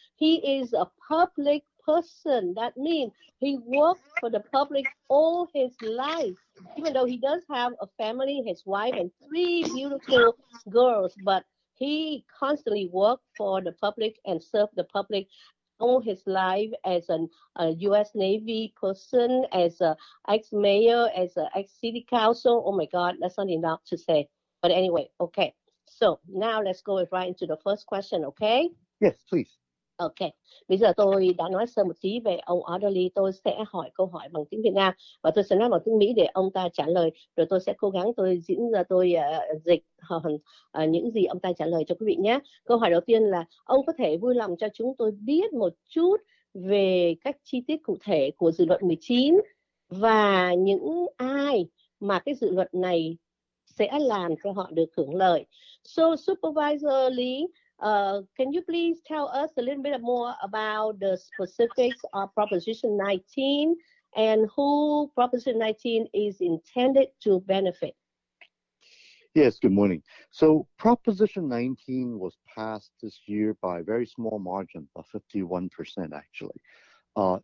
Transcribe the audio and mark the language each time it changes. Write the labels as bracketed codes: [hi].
[en] He is a public person. That means he worked for the public all his life, even though he does have a family, his wife and three beautiful girls, but he constantly worked for the public and served the public all his life as an US Navy person, as a ex-mayor, as a ex-city council. Oh my God, that's not enough to say. But anyway, okay. So now let's go right into the first question, okay? Yes, please. [vi] Ok, bây giờ tôi đã nói sơ một tí về ông Orderly. Tôi sẽ hỏi câu hỏi bằng tiếng Việt Nam và tôi sẽ nói bằng tiếng Mỹ để ông ta trả lời, rồi tôi sẽ cố gắng tôi diễn ra, tôi dịch những gì ông ta trả lời cho quý vị nhé. Câu hỏi đầu tiên là ông có thể vui lòng cho chúng tôi biết một chút về các chi tiết cụ thể của dự luật 19 và những ai mà cái dự luật này sẽ làm cho họ được hưởng lợi. [en] So Supervisor Lý, can you please tell us a little bit more about the specifics of Proposition 19 and who Proposition 19 is intended to benefit? Yes, good morning. So Proposition 19 was passed this year by a very small margin, of 51% actually.